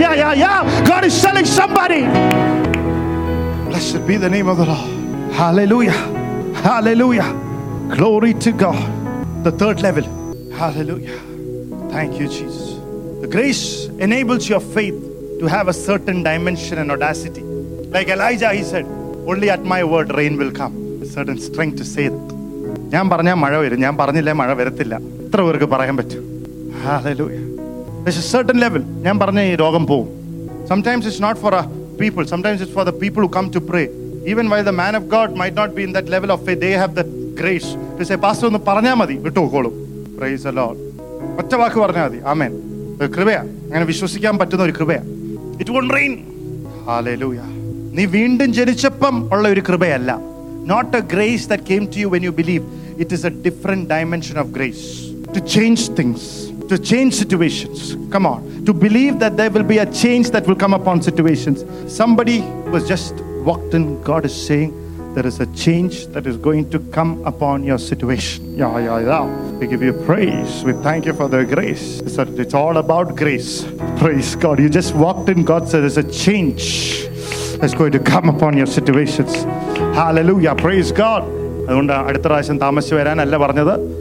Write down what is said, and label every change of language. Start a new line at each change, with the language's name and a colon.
English: Yeah, yeah, yeah. God is telling somebody. Blessed be the name of the Lord. Hallelujah. Hallelujah. Glory to God. The third level. Hallelujah. Thank you, Jesus. The grace enables your faith to have a certain dimension and audacity. Like Elijah, he said, only at my word rain will come. A certain strength to say it.
Malayalam: ഞാൻ പറഞ്ഞാൽ മഴ വരും, ഞാൻ പറഞ്ഞില്ലേ മഴ വരത്തില്ല, എത്ര പേർക്ക് പറയാൻ പറ്റും? Hallelujah.
English: There's a certain level.
Malayalam: ഞാൻ പറഞ്ഞാൽ ഈ രോഗം പോവും.
English: Sometimes it's not for a people. Sometimes it's for the people who come to pray. Even while the man of God might not be in that level of faith, they have the grace to say, Pastor,
Malayalam: ഒന്ന് പറഞ്ഞാൽ മതി, വിട്ടുപോകോളൂ.
English: Praise the Lord.
Malayalam: ഒറ്റ വാക്ക് പറഞ്ഞാൽ മതി, ആമേൻ. കൃപയാ, അങ്ങനെ വിശ്വസിക്കാൻ പറ്റുന്ന ഒരു കൃപയാ.
English: It won't rain.
Malayalam: Hallelujah. നീ വീണ്ടും ജനിച്ചപ്പം ഉള്ള ഒരു കൃപയല്ല.
English: Not a grace that came to you when you believe. It is a different dimension of grace to change things, to change situations. Come on, to believe that there will be a change that will come upon situations. Somebody was just walked in, God is saying there is a change that is going to come upon your situation. Yeah, yeah, yeah. We give you praise. We thank you for the grace. It's all about grace. Praise God. You just walked in, God said there's a change that's going to come upon your situations. Hallelujah. Praise God.
Malayalam: അതുകൊണ്ട് അടുത്ത പ്രാവശ്യം താമസിച്ച് വരാനല്ല പറഞ്ഞത്.